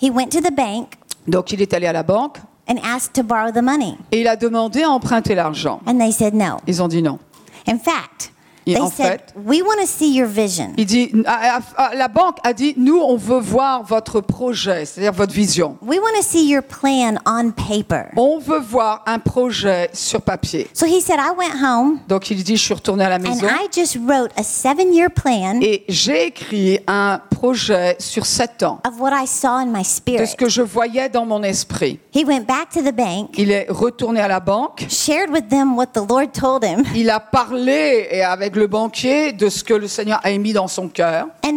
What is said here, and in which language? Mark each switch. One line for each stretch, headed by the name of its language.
English: He went to the bank.
French: Donc il est allé à la banque.
English: And asked to borrow the money.
French: Et il a demandé à emprunter l'argent.
English: And they said no.
French: Ils ont dit non.
English: In fact,
French: Et en fait,
English: we want to see your vision.
French: Il dit, la banque a dit, nous, on veut voir votre projet, c'est-à-dire votre vision.
English: We want to see your plan on paper.
French: On veut voir un projet sur papier.
English: So he said, I went home.
French: Donc il dit, je suis retourné à la maison.
English: And I just wrote a 7-year plan.
French: Et j'ai écrit un projet sur 7 ans.
English: Of what I saw in my spirit.
French: De ce que je voyais dans mon esprit.
English: He went back to the bank.
French: Il est retourné à la banque.
English: Shared with them what the Lord told him.
French: Il a parlé et avec le banquier de ce que le Seigneur a émis dans son cœur.